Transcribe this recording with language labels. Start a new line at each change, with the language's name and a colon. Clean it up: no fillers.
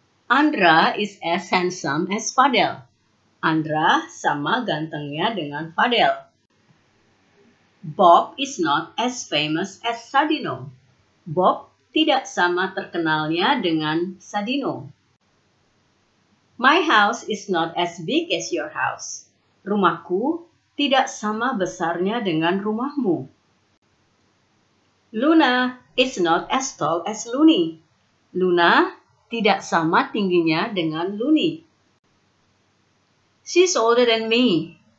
English: Andra is as handsome as Fadel.
Indonesian: Andra sama gantengnya dengan Fadel.
English: Bob is not as famous as Sadino.
Indonesian: Bob tidak sama terkenalnya dengan Sadino.
English: My house is not as big as your house.
Indonesian: Rumahku tidak sama besarnya dengan rumahmu.
English: Luna is not as tall as Luni.
Indonesian: Luna tidak sama tingginya dengan Luni.
English: She's older than me.